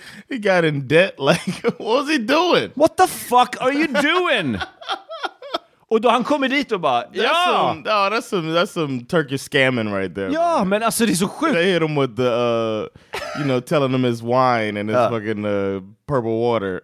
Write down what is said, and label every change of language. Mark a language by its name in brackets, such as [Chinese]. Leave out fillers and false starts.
[English] He got in debt, like, what was he doing? What the fuck are you doing? [Swedish] Och då han kommer dit och bara, ja! [English] That's some Turkish scamming right there. [Swedish] Ja, man. Men alltså det är så sjukt. [English] They hit him with the, you know, telling him his wine and his fucking purple water.